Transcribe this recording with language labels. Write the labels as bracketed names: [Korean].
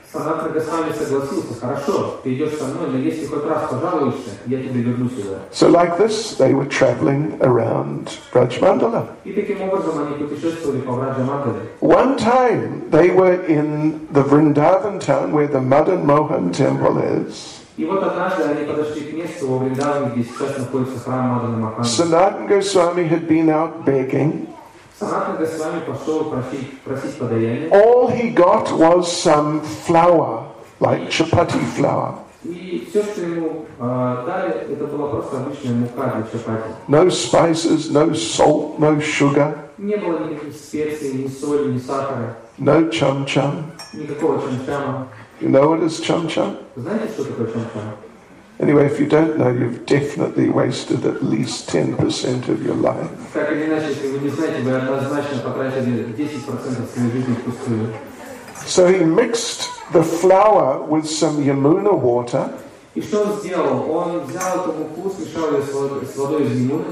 [English] So like this, they were traveling around Vrajmandala. One time, they were in the Vrindavan town where the Madan Mohan temple is. [Russian] И вот однажды они подошли к месту во Вриндаване, где сейчас находится храм Мадхана Махана. [English] Sanatana Goswami had been out begging. [Russian] Sanatana Goswami пошел просить подаяние. [English] All he got was some flour, like chapati flour. [Russian] И все, что ему дали, это была просто обычная мука для чапати. [English] No spices, no salt, no sugar. [Russian] Не было никаких специй, ни соли, ни сахара. [English] No chum-chum. [Russian] Никакого чам-чама. [English] You know what is chum-chum? [Russian] Знаете, что такое чам-чам? [English] Anyway, if you don't know, you've definitely wasted at least 10% of your life. [Russian] Как или иначе, если вы не знаете, вы однозначно потратили 10% своей жизни впустую. [English] So he mixed the flour with some Yamuna water. [Russian] И что он сделал? Он взял эту муку, смешал ее с водой из Ямуны.